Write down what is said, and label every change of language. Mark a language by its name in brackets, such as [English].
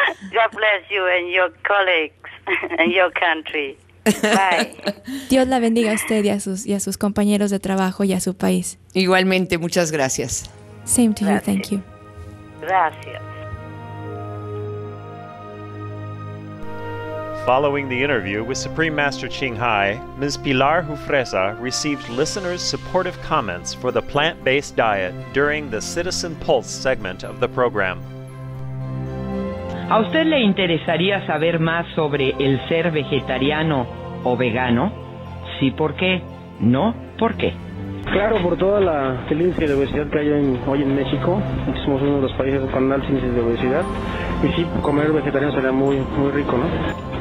[English] God bless you and your colleagues and your country. Bye. [Spanish] Dios la bendiga a usted y a sus compañeros de trabajo y a su país. Igualmente, muchas gracias. [English] Same to you, thank you. [Spanish] Gracias. [English] Following the interview with Supreme Master Ching Hai, Ms. Pilar Jufresa received listeners' supportive comments for the plant-based diet during the Citizen Pulse segment of the program. [Spanish] ¿A usted le interesaría saber más sobre el ser vegetariano o vegano? Sí, ¿por qué? No, ¿por qué? Claro, por toda la índice de obesidad que hay hoy en México. Somos uno de los países con altos índices de obesidad. Y sí, comer vegetariano sería muy, muy rico, ¿no?